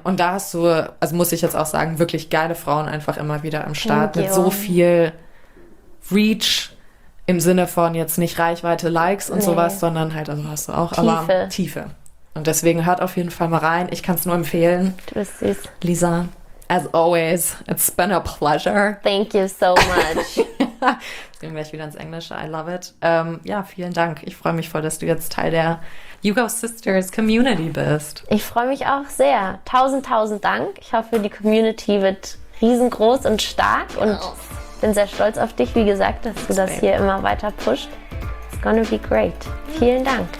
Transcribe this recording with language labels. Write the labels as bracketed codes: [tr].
[de] Und da hast du, also muss ich jetzt auch sagen, wirklich geile Frauen einfach immer wieder am Start. Mit so viel Reach im Sinne von jetzt nicht Reichweite, Likes und sowas, sondern halt, also hast du auch, Tiefe. Aber Tiefe. Und deswegen hört auf jeden Fall mal rein. Ich kann es nur empfehlen. Du bist süß. [en] Lisa, as always, it's been a pleasure. Thank you so much. [de] Jetzt gehen wir gleich wieder ins Englische. [en] I love it. [de] Vielen Dank. Ich freue mich voll, dass du jetzt Teil der Yugo Sisters Community bist. Ich freue mich auch sehr. Tausend Dank. Ich hoffe, die Community wird riesengroß und stark. Ja. Und bin sehr stolz auf dich, wie gesagt, dass du das hier immer weiter pusht. [en] It's gonna be great. [de] Vielen Dank.